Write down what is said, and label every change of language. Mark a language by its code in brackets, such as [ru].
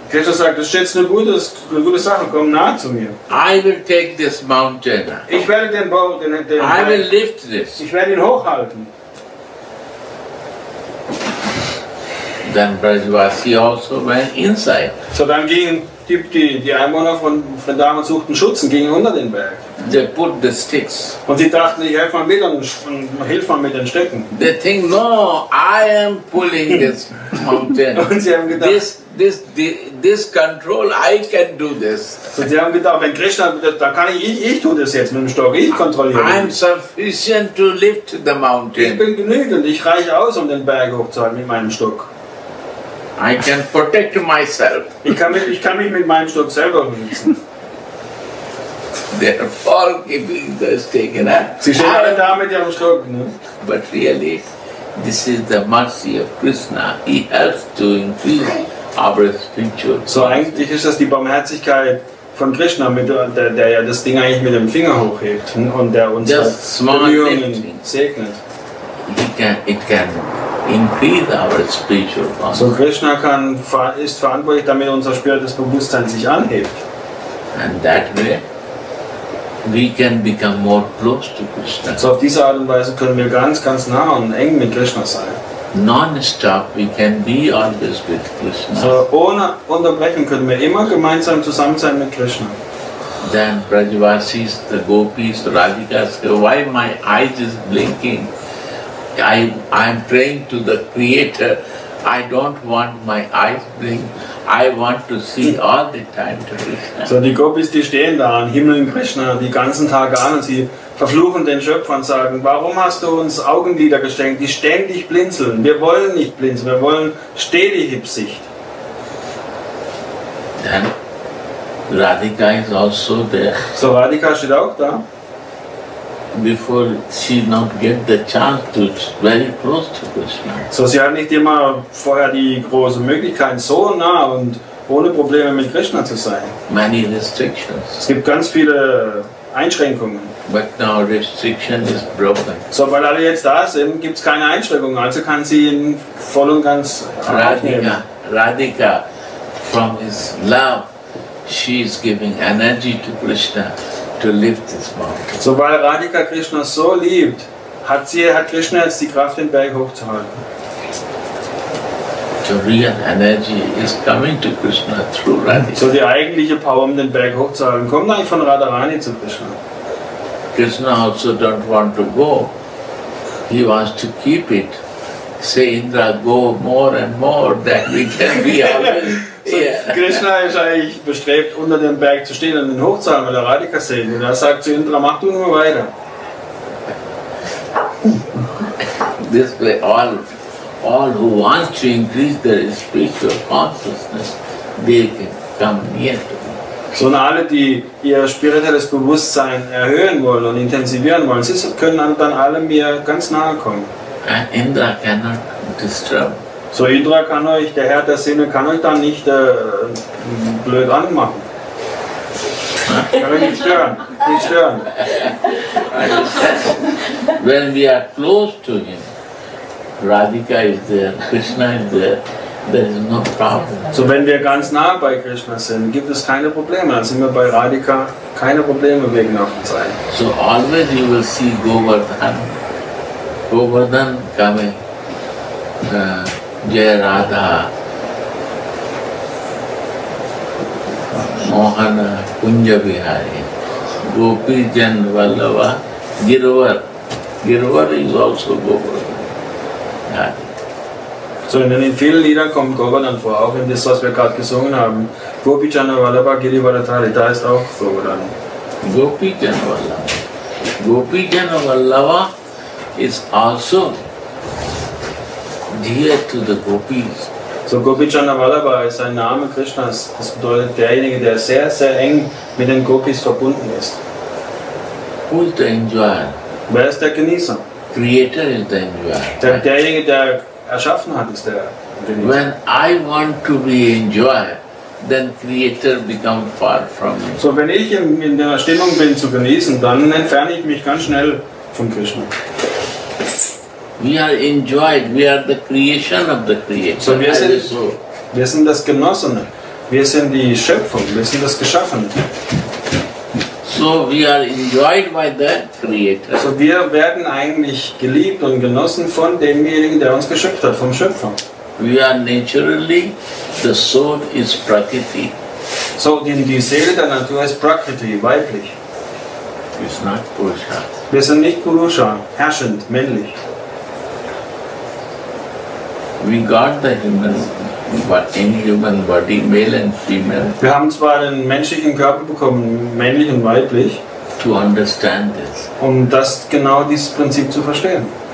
[de] Krishna sagt, das ist jetzt eine gute Sache. Komm nahe zu mir. [en] I will take this mountain. [de] Ich werde den Berg. [en] I will lift this. [de] Ich werde ihn hochhalten. [en] Then Brajavasi also went inside. [de] So dann gingen die Einwohner von Vrindavan suchten Schutz und gingen unter den Berg. [en] They put the sticks. [de] Und sie dachten, ich helfe mal mit und mit den Stöcken. [en] They think, no, I am pulling this mountain. [de] Und sie haben gedacht, [en] this control, I can do this. [de] Und sie haben gedacht, wenn Krishna, dann kann ich tue das jetzt mit dem Stock, ich kontrolliere. [en] I am sufficient to lift the mountain. [de] Ich bin genügend, ich reiche aus, um den Berg hochzuhalten mit meinem Stock. [en] I can protect myself. [de] Ich kann mich mit meinem Stock selber benutzen. [en] They are all giving the stick, [de] ne? Sie stehen alle da mit ihrem Stock, ne? [en] But really, this is the mercy of Krishna. He helps to increase our spiritual. [de] So eigentlich ist das die Barmherzigkeit von Krishna, der ja das Ding eigentlich mit dem Finger hochhebt und der unsere Bemühungen segnet. [en] It can increase our spiritual power. [de] So Krishna ist verantwortlich, damit unser spirituelles Bewusstsein sich anhebt. [en] And that way, we can become more close to Krishna. [de] So auf diese Art und Weise können wir ganz, ganz nah und eng mit Krishna sein. [en] Non-stop, we can be always with Krishna. [de] So ohne Unterbrechen können wir immer gemeinsam zusammen sein mit Krishna. [en] Then Brajavasis, the Gopis, the Radhikas, why my eyes is blinking? I'm praying to the Creator. I don't want my eyes blink. I want to see all the time to Krishna. [de] So die Gopis, die stehen da an Himmel in Krishna die ganzen Tage an und sie verfluchen den Schöpfer und sagen, warum hast du uns Augenlider geschenkt, die ständig blinzeln? Wir wollen nicht blinzeln, wir wollen stetige Sicht. [en] Then Radhika is also there. [de] So Radhika steht auch da. [en] Before she not get the chance to very close to Krishna. [de] So sie hat nicht immer vorher die große Möglichkeit, so nah und ohne Probleme mit Krishna zu sein. [en] Many restrictions. [de] Es gibt ganz viele Einschränkungen. [en] But now restriction is broken. [de] So weil alle jetzt da sind, gibt es keine Einschränkungen. Also kann sie ihn voll und ganz [en] Radhika, Radhika, from his love, she is giving energy to Krishna. To lift this mountain. [de] So weil Radhika Krishna so liebt, hat Krishna jetzt die Kraft, den Berg hochzuhalten. [en] To the real energy is coming to Krishna through Radhika. [de] So die eigentliche Power, um den Berg hochzuhalten, kommt eigentlich von Radharani zu Krishna. [en] Krishna also don't want to go. He wants to keep it. Say, Indra, go more and more, that we can be always. [de] So, Krishna ist eigentlich bestrebt, unter dem Berg zu stehen und den hochzuhalten, weil der Radhika sehen. Und er sagt zu Indra, mach du nur weiter. [en] This way, all who want to increase their spiritual consciousness, they can come near to me. [de] So, und alle, die ihr spirituelles Bewusstsein erhöhen wollen und intensivieren wollen, sie können dann alle mir ganz nahe kommen. [en] And Indra cannot disturb. [de] So, Indra kann euch, der Herr der Sinne, kann euch dann nicht blöd anmachen. Kann euch nicht stören. [en] When we are close to him, Radhika is there, Krishna is there, there is no problem. [de] So, wenn wir ganz nah bei Krishna sind, gibt es keine Probleme. Dann sind wir bei Radhika, keine Probleme wegen auf dem Seil. [en] So, always you will see Govardhan. Govardhan coming. Jai Radha, Mohana, Kunja Vihari, Gopi Jan Vallava, Girvar. Girvar is also Govardhan. [de] So in vielen Liedern kommt Govardhan vor, auch in das, was wir gerade gesungen haben. Gopi Jan Vallava, Girvar Thari, da ist auch Govardhan. Gopi Jan Vallava. [en] Gopi Jan Vallava is also dear to the gopis. [de] So Gopi Janavallabha ist ein Name Krishnas. Das bedeutet derjenige, der sehr, sehr eng mit den Gopis verbunden ist. [en] Who is the enjoyer? [de] Wer ist der Genießer? [en] Creator is the enjoyer. [de] Derjenige, der erschaffen hat, ist der Genießer. [en] When I want to be enjoyer, then creator become far from me. [de] So wenn ich in der Stimmung bin zu genießen, dann entferne ich mich ganz schnell von Krishna. [en] We are enjoyed, we are the creation of the creator. [de] So wir sind das Genossene, wir sind die Schöpfung, wir sind das Geschaffene. [en] So we are enjoyed by that creator. [de] So wir werden eigentlich geliebt und genossen von demjenigen, der uns geschöpft hat, vom Schöpfer. [en] We are naturally, the soul is Prakriti. [de] So die Seele der Natur ist Prakriti, weiblich. [en] It's not Purusha. [de] Wir sind nicht Purusha, herrschend, männlich. [en] We got the human, but in human body, male and female. [de] Wir haben zwar den menschlichen Körper bekommen, männlich und weiblich. [en] To understand this. [de] Um das genau dieses Prinzip zu verstehen.